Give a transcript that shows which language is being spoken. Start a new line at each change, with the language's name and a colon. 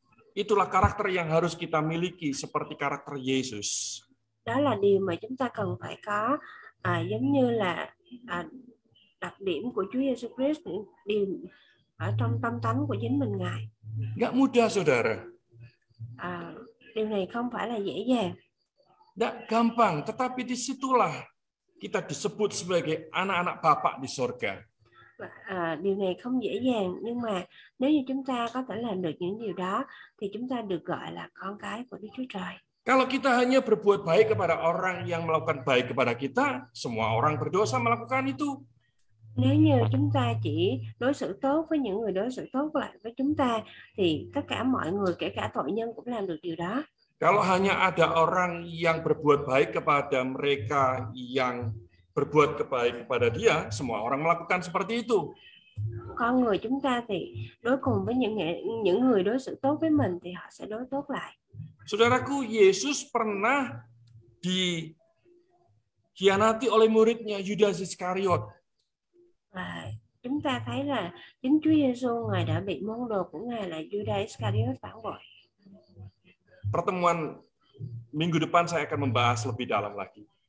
Indonesian: Itulah karakter yang harus kita miliki seperti karakter Yesus.
Vietnamese: Đó là điều mà chúng ta cần phải có. Giống như là đặc điểm của Chúa Giêsu Christ điểm ở trong tâm tánh của chính mình Ngài.
Indonesian: Nggak mudah, saudara.
Vietnamese: Điều này không phải là dễ dàng.
Indonesian: Nggak gampang, tetapi disitulah kita disebut sebagai anak-anak Bapa di surga.
Vietnamese: Điều này không dễ dàng, nhưng mà nếu như chúng ta có thể làm được những điều đó thì chúng ta được gọi là con cái của Đức Chúa Trời.
Indonesian: Kalau kita hanya berbuat baik kepada orang yang melakukan baik kepada kita, semua orang berdosa melakukan itu.
Vietnamese: Nếu như chúng ta chỉ đối xử tốt với những người đối xử tốt lại với chúng ta thì tất cả mọi người kể cả tội nhân cũng làm được điều đó.
Indonesian: Kalau hanya ada orang yang berbuat baik kepada mereka yang berbuat kebaikan kepada dia, semua orang melakukan seperti itu.
Vietnamese: Con người chúng ta thì đối cùng với những người đối xử tốt với mình thì họ sẽ đối tốt lại.
Indonesian: Saudaraku, Yesus pernah dikhianati oleh muridnya Judas Iskariot.
Vietnamese: Chúng ta thấy là chính Chúa Giêsu ngài đã bị môn đồ của ngài là Judas Iscariot phản bội.
Indonesian: Pertemuan minggu depan saya akan membahas lebih dalam lagi.